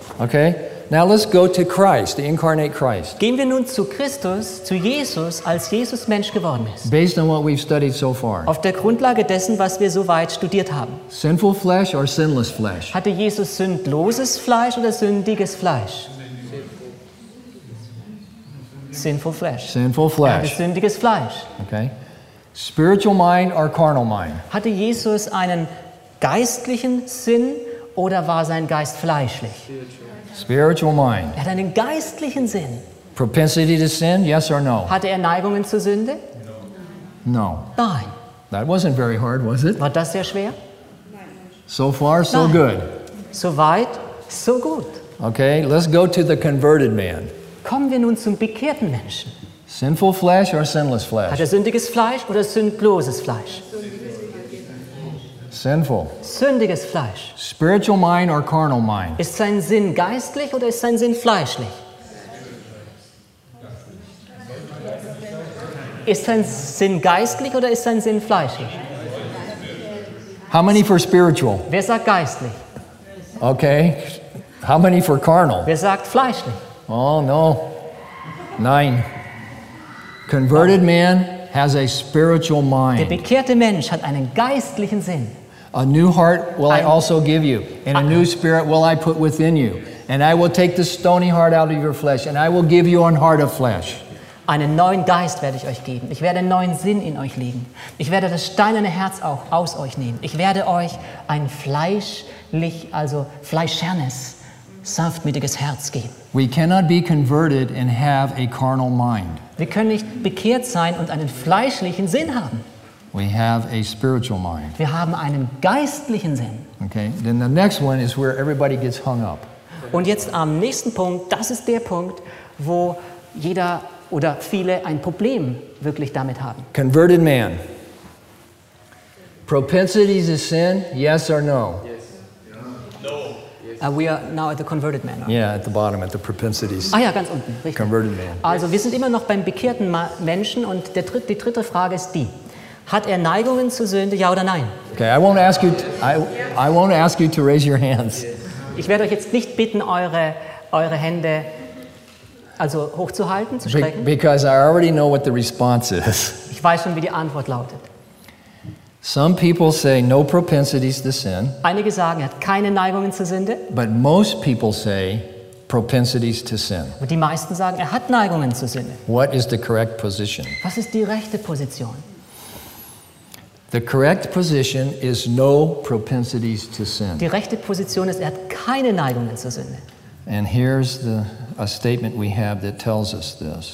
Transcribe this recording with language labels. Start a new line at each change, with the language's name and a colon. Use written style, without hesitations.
English: Okay, now let's go to Christ, the incarnate Christ.
German: Gehen wir nun zu Christus, zu Jesus, als Jesus Mensch geworden ist.
English: Based on what we've studied so far.
German: Auf der Grundlage dessen, was wir soweit studiert haben.
English: Sinful flesh or sinless flesh?
German: Hatte Jesus sündloses Fleisch oder sündiges Fleisch?
English: Sinful flesh. Sinful flesh.
German: Er hatte sündiges Fleisch.
English: Okay. Spiritual mind or carnal mind?
German: Hatte Jesus einen geistlichen Sinn oder war sein Geist fleischlich?
English: Spiritual mind.
German: Er hat einen geistlichen Sinn.
English: Propensity to sin, yes or no?
German: Hatte er Neigungen zur Sünde?
English: No.
German: Nein.
English: That wasn't very hard, was it?
German: War das sehr schwer?
English: So far, so
German: Nein.
English: good.
German: So weit, so gut.
English: Okay, let's go to the converted man.
German: Kommen wir nun zum bekehrten Menschen.
English: Sinful flesh or sinless flesh?
German: Hat er sündiges Fleisch oder sündloses Fleisch?
English: Sinful.
German: Sündiges Fleisch.
English: Spiritual mind or carnal mind?
German: Ist sein Sinn geistlich oder ist sein Sinn fleischlich? Ist sein Sinn geistlich oder ist sein Sinn fleischlich?
English: How many for spiritual?
German: Wer sagt geistlich?
English: Okay. How many for carnal?
German: Wer sagt fleischlich?
English: Oh no.
German: Nein.
English: Converted man has a spiritual mind.
German: Der bekehrte Mensch hat einen geistlichen Sinn.
English: A new heart will I also give you, and a new spirit will I put within you. And I will take the stony heart out of your flesh, and I will give you an heart of flesh.
German: Einen neuen Geist werde ich euch geben. Ich werde einen neuen Sinn in euch legen. Ich werde das steinerne Herz auch aus euch nehmen. Ich werde euch ein fleischlich, also fleischernes, sanftmütiges Herz geben.
English: We cannot be converted and have a carnal mind.
German: Wir können nicht bekehrt sein und einen fleischlichen Sinn haben.
English: We have a spiritual mind.
German: Wir haben einen geistlichen Sinn.
English: Okay. Then the next one is where everybody gets hung up.
German: Und jetzt am nächsten Punkt, das ist der Punkt, wo jeder oder viele ein Problem wirklich damit haben.
English: Converted man. Propensity to sin, yes or no? Yes. No. We are now at the converted man. Right? Yeah, at the bottom, at the propensities.
German: Ah ja, ganz unten, richtig. Converted man. Also wir sind immer noch beim bekehrten Menschen und die dritte Frage ist die. Hat Neigungen zur Sünde, ja oder nein?
English: Okay, I won't ask you to raise your hands.
German: Ich werde euch jetzt nicht bitten, eure Hände also hochzuhalten, zu strecken.
English: Because I already know what the response is.
German: Ich weiß schon, wie die Antwort lautet.
English: Some people say no propensities to sin.
German: Einige sagen, er hat keine Neigungen zur Sünde.
English: But most people say propensities to sin.
German: Und die meisten sagen, er hat Neigungen zur Sünde.
English: What is the correct position?
German: Was ist die rechte Position?
English: The correct position is no propensities to sin.
German: Die rechte Position ist, er hat keine Neigungen zur Sünde.
English: And here's a statement we have that tells us this.